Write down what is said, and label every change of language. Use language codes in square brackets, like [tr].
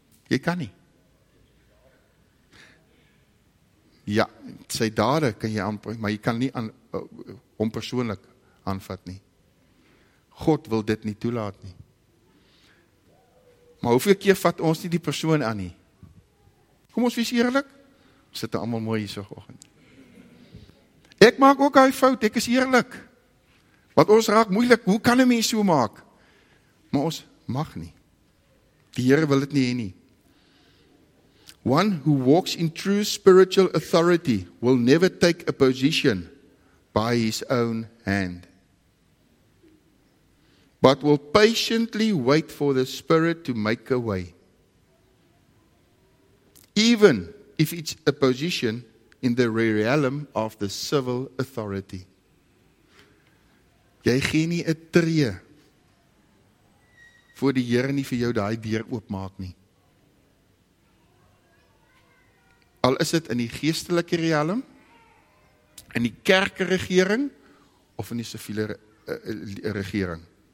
[af] Jy kan nie. Ja, sy dade kan jy aanpak, maar jy kan nie aan hom persoonlik aanvat nie. God wil dit nie toelaat nie. Maar hoeveel keer vat ons nie die persoon aan nie? Kom ons wees eerlik. Ons sit allemaal mooi hier soggend. Ek maak ook hy fout, ek is eerlik. Want ons raak moeilik, hoe kan een mens so maak? Maar ons mag nie. Die Here wil dit nie heen nie. [en] One who walks in true spiritual authority will never take a position by his own hand, but will patiently wait for the Spirit to make a way. Even if it's a position in the realm of the civil authority. [af] Jy gee nie 'n tree voor die Here nie vir jou daai deur oopmaak nie. Al is dit in die geestelike realm, in die kerkregering of in die siviele regering.